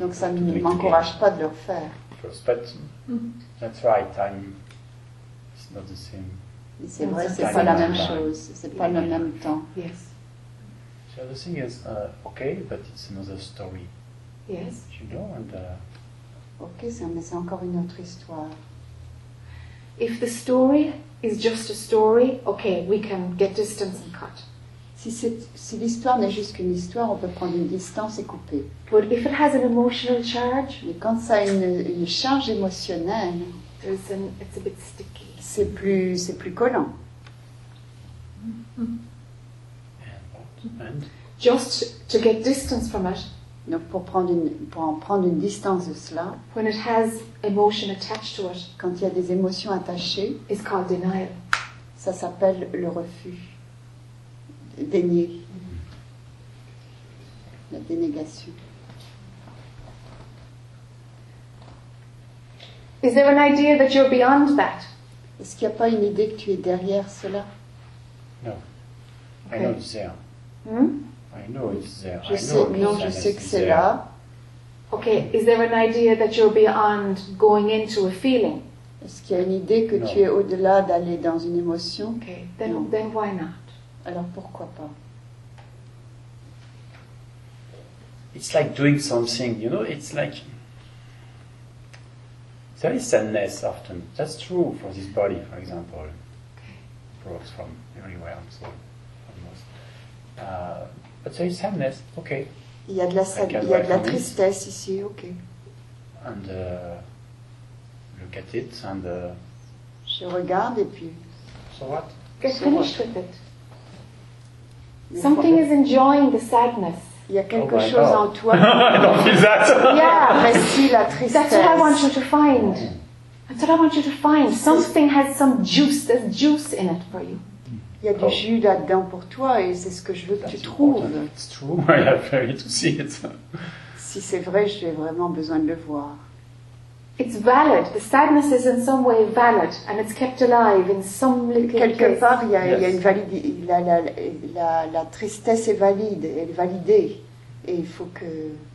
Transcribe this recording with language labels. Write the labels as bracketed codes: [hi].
[fr] Donc ça ne m'encourage pas de le refaire. [en] First, but that's right. It's not the same. [fr] Mais c'est vrai, c'est pas la même chose. C'est pas le même temps. [en] Yes. So the other thing is okay, but it's another story. Yes. You know, and. [fr] Okay, mais c'est encore une autre histoire. [en] If the story is just a story, okay, we can get distance and cut. [fr] Si l'histoire n'est juste qu'une histoire, on peut prendre une distance et couper. [en] But if it has an emotional charge, [fr] mais quand ça a une charge émotionnelle, [en] it's a bit sticky. [fr] C'est plus collant. [en] And just to get distance from it. [fr] Donc pour en prendre une distance de cela. [en] When it has emotion attached to it. [fr] Quand il y a des émotions attachées. [en] It's called denial. [fr] Ça s'appelle le refus. Dénier. La dénégation. [en] Is there an idea that you're beyond that? [fr] Est-ce qu'il n'y a pas une idée que tu es derrière cela? [en] No. Okay. I know it's there. I know it's there. [fr] Je sais que c'est là. [en] Okay. Is there an idea that you're beyond going into a feeling? [fr] Est-ce qu'il y a une idée que tu es au-delà d'aller dans une émotion? [en] Okay. Then why not? [fr] Alors pourquoi pas? [en] It's like doing something, you know. It's like there is sadness often. That's true for this body, for example. Okay. Broke from everywhere, so almost. But there is sadness. Okay. [fr] Il y a de la tristesse ici. Okay. [en] And look at it. And [fr] je regarde et puis. [en] So what? Get so finished what? With it. Something is enjoying the sadness. [fr] Il y a quelque chose en toi. [en] I don't feel that. Yeah, [fr] mais si la tristesse. [en] That's what I want you to find. That's what I want you to find. Something has some juice. There's juice in it for you. [fr] Il y a du jus là-dedans pour toi, et c'est ce que je veux que tu trouves. [en] It's true. I have very to see it. [fr] Si c'est vrai, j'ai vraiment besoin de le voir. [en] It's valid. The sadness is in some way valid, and it's kept alive in some little [fr] quelque [en] place. [fr] Part, il y a une validité. La tristesse est valide, elle est validée, et il faut que.